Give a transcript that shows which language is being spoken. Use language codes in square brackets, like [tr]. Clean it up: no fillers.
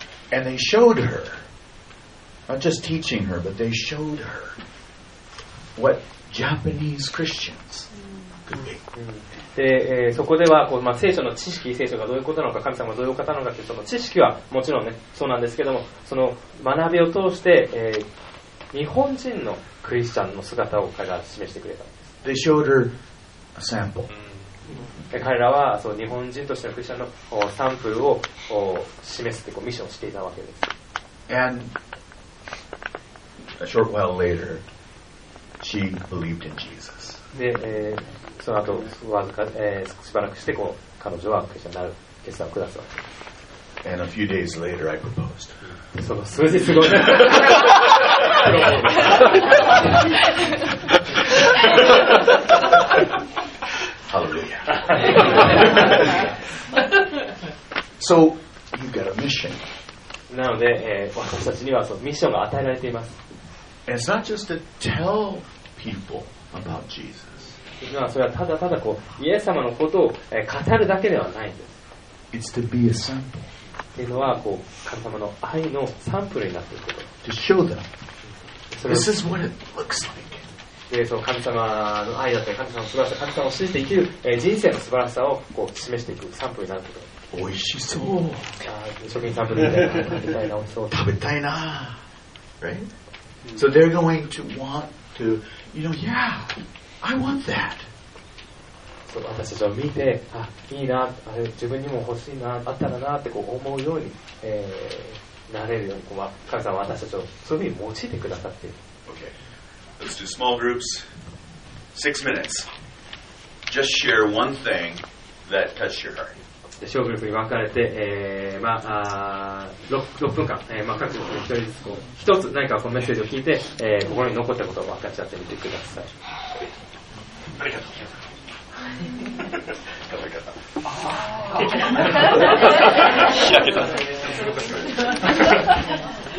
[en] And they showed her, not just teaching her, but they showed her what Japanese Christians could be. [ja] でそこではこう、まあ、聖書の知識、聖書がどういうことなのか、神様がどういう方なのかというその知識はもちろんね、そうなんですけども、その学びを通して、日本人のクリスチャンの姿を彼が示してくれたんです。 [en] They showed her a sample. [ja] で彼らはそう日本人としてのクリスチャンのサンプルを示すというミッションをしていたわけです。 [en] And a short while later, she believed in Jesus. [ja] でその後わずか、しばらくしてこう彼女はクリスチャンになる決断を下すわけ。 [en] And a few days later I proposed. [ja] その数日後に。 [en] Hallelujah. So you've got a mission. [ja] なので、私たちにはそのミッションが与えられています。 [en] It's not just to tell people about Jesus. [ja] まあ、それはただただこうイエス様のことを語るだけではないんです。 [en] It's to be a sample. [ja] というのはこう神様の愛のサンプルになっていくこと。 [en] To show them. This is what it looks like. [ja] で、その神様の愛だったり神様の素晴らしさ、神様を信じて生きる人生の素晴らしさをこう示していくサンプルになっていくこと。美味しそう。食品サンプルみたいな食べたいな美味しそう。食べたいな。 [en] Right? So they're going to want to, you know, yeah. I want that. [ja] そう、私たちを見て、あ、いいな、あれ、自分にも欲しいな、あったらなってこう思うように、なれるように、こう、神様は私たちをそういうふうに用いてくださっている。 [en] Okay. Let's do small groups. 6 minutes. Just share one thing that touched your heart. [ja] で、小グループに分かれて、まあ、6分間、まあ、各人一人ずつこう一つ何かこのメッセージを聞いて、心に残ったことを分かち合ってみてください。ありがとう。ありがとう。ああ。開けた。